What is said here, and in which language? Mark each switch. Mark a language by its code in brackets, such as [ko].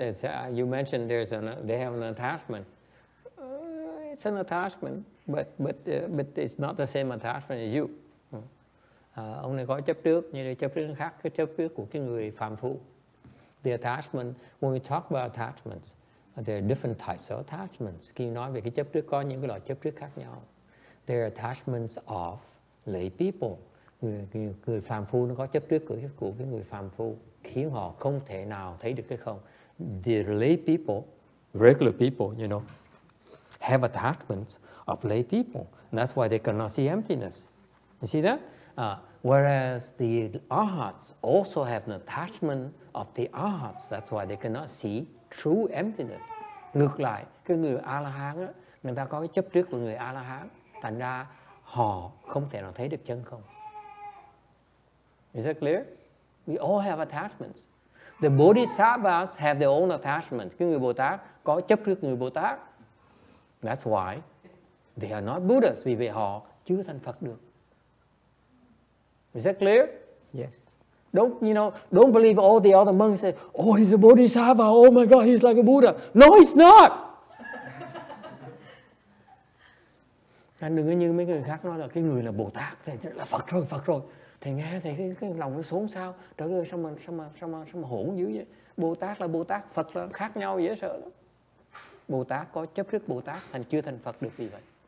[en] It's, you mentioned there's an they have an attachment. It's an attachment, but it's not the same attachment as you. [vi] Ông này có chấp trước, như là chấp trước khác, cái chấp trước của cái người phàm phu. [en] The attachment, when we talk about attachments, there are different types of attachments. [vi] Khi nói về cái chấp trước, có những cái loại chấp trước khác nhau. [en] There are attachments of lay people. [vi] Người phàm phu nó có chấp trước của cái người phàm phu, khiến họ không thể nào thấy được cái không. [en] The lay people, regular people, you know, have attachments of lay people. And that's why they cannot see emptiness. You see that? Whereas the arhats also have an attachment of the arhats. That's why they cannot see true emptiness. [vi] Ngược lại, cái người A-la-hán, người ta có cái chấp trước của người A-la-hán, thành ra họ không thể nào thấy được chân không. [en] Is that clear? We all have attachments. The Bodhisattvas have their own attachments. [vi] Cái người Bồ-Tát có chấp trước người Bồ-Tát. [en] That's why they are not Buddhas, [vi] vì vậy họ chưa thành Phật được. [en] Is that clear? Yes. Don't believe all the other monks say, oh, he's a Bodhisattva, oh my God, he's like a Buddha. No, he's not. [vi] Anh đừng có như mấy người khác nói là cái người là Bồ Tát, thì là Phật rồi. Thầy nghe thầy cái lòng nó xuống sao, trời ơi, sao mà hỗn dữ vậy. Bồ Tát là Bồ Tát, Phật là khác nhau, dễ sợ lắm. Bồ Tát có chấp trước Bồ Tát, thành chưa thành Phật được vì vậy.